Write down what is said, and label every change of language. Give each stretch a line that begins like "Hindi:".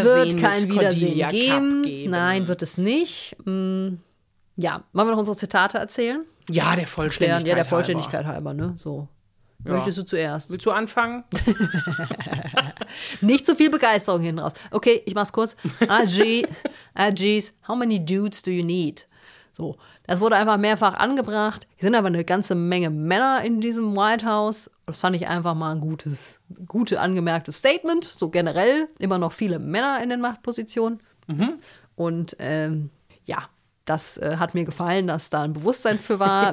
German: Es wird kein Wiedersehen geben. Nein, wird es nicht. Ja, wollen wir noch unsere Zitate erzählen? Ja, der Vollständigkeit halber. Ja, der Vollständigkeit halber, ne? So. Ja. Möchtest du zuerst? Willst du anfangen? Nicht so viel Begeisterung hinten raus. Okay, ich mach's kurz.
English: RGs, how many dudes do you need?
German: So, das wurde einfach mehrfach angebracht. Hier sind aber eine ganze Menge Männer in diesem White House. Das fand ich einfach mal ein gutes angemerktes Statement. So generell immer noch viele Männer in den Machtpositionen. Mhm. Und das hat mir gefallen, dass da ein Bewusstsein für war.